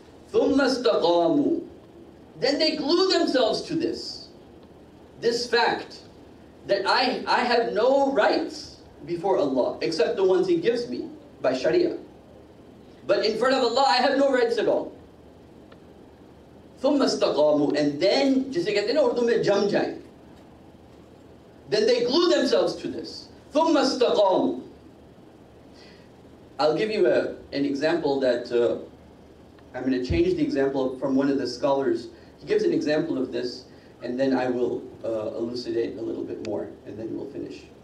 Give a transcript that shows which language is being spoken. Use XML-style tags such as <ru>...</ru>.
<ar>ثُمَّ اسْتَقَامُوا.</ar> <en>Then they glue themselves to this fact that I have no rights before Allah except the ones He gives me by Sharia. But in front of Allah, I have no rights at all.</en> <ar>ثُمَّ اسْتَقَامُوا.</ar> <en>And then,</en> <ur>جسے کہتے ہیں اردو میں جم جائیں.</ur> <en>Then they glue themselves to this.</en> <ar>ثُمَّ اسْتَقَامُوا.</ar> <en>I'll give you an example that, I'm going to change the example from one of the scholars. He gives an example of this, and then I will elucidate a little bit more, and then we'll finish.</en>